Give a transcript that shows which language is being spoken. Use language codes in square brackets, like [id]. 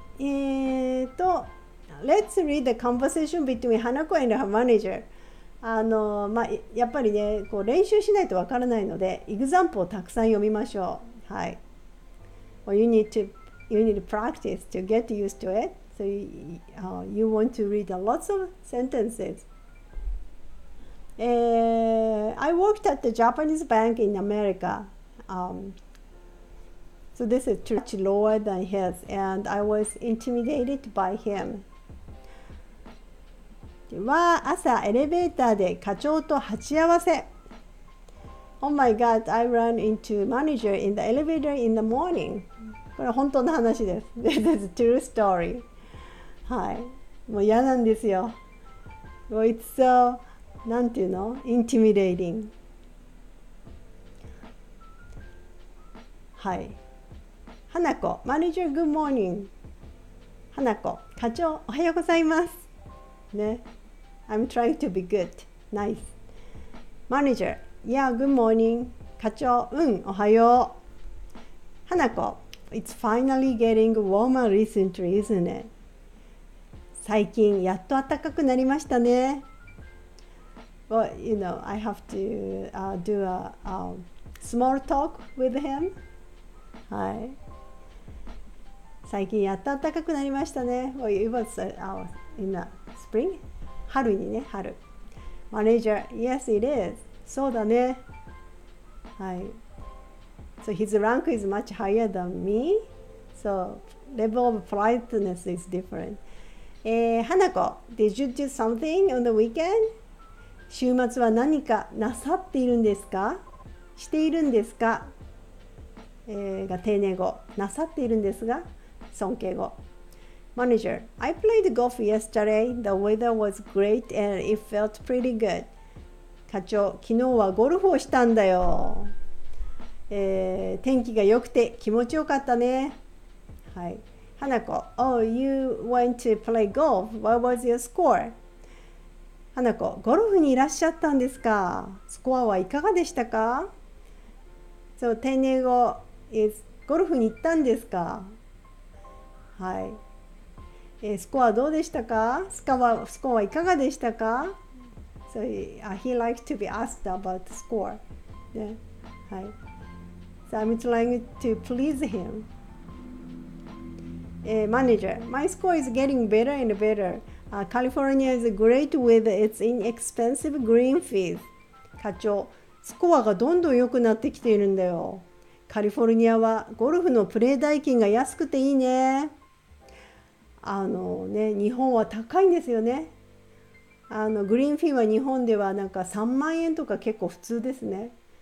[en] Let's read the conversation between Hanako and her manager [ja] まあ、やっぱりねこう練習しないとわからないのでエグザンプをたくさん読みましょう、はい、 [en] well, you need to practice to get used to it so you want to read lots of sentences I worked at the Japanese bank in America so this is much lower than his and I was intimidated by him [ja] は朝エレベーターで課長と鉢合わせ。 [en] Oh my god, I ran into manager in the elevator in the morning. [ja] これ本当の話です。 [en] This is a true story. [ja] はい。もう嫌なんですよ。 [en] Well, it's so, [ja] なんていうの? [en] Intimidating. はい。花子、manager, good morning. [ja] 花子、課長、おはようございます。 [en] ね。I'm trying to be good. Nice. Manager. Yeah, good morning. [ja] 課長、うん、おはよう。 [en] 花子。 It's finally getting warmer recently, isn't it? [ja] 最近やっと暖かくなりましたね。 [en] Well, you know, I have to do a small talk with him. [ja] はい。最近やっと暖かくなりましたね。 [en] Well, it was in the spring. [ja] 春にね、春。 [en] マネージャー、Yes, it is. [ja] そうだね。はい。 [en] So his rank is much higher than me. So level of politeness is different. Hanako, did you do something on the weekend? [ja] 週末は何かなさっているんですか？しているんですか？が丁寧語。なさっているんですが、尊敬語。 [en] Manager, I played golf yesterday. The weather was great and it felt pretty good. [ja] 課長、昨日はゴルフをしたんだよ。天気が良くて気持ちよかったね。 [en] はい。花子、Oh, you went to play golf. What was your score? [ja] 花子、ゴルフにいらっしゃったんですか。スコアはいかがでしたか。 So, 丁寧語 is ゴルフに行ったんですか。はい。スコアどうでしたか。スコアはいかがでしたか。 [en] So, he likes to be asked about the score. Yeah. はい。So I'm trying to please him. Manager, my score is getting better and better. California is a great weather. It's inexpensive green fees. [ja] 課長、スコアがどんどん良くなってきているんだよ。カリフォルニアはゴルフのプレー代金が安くていいね。あのね、日本は高いんですよね。あのグリーンフィーは日本ではなんか3万円とか結構普通ですね。